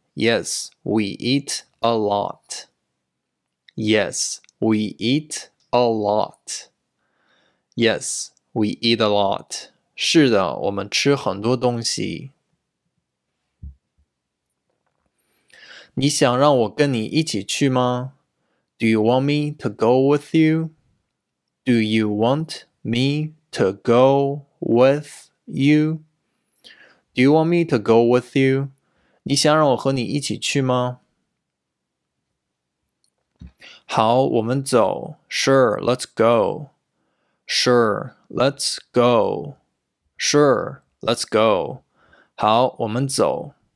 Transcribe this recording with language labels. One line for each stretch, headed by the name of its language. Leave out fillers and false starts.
English: Yes, we eat a lot. Yes, we eat a lot. Yes, we eat a lot.
Chinese: 是的，我们吃很多东西。你想让我跟你一起去吗?
English: Do you want me to go with you? Do you want me to go with you? Do you want me to go with you?
Chinese: 你想让我和你一起去吗? 好,我们走。
English: Sure, let's go. Sure, let's go. Sure, let's go.
Chinese: 好,我们走。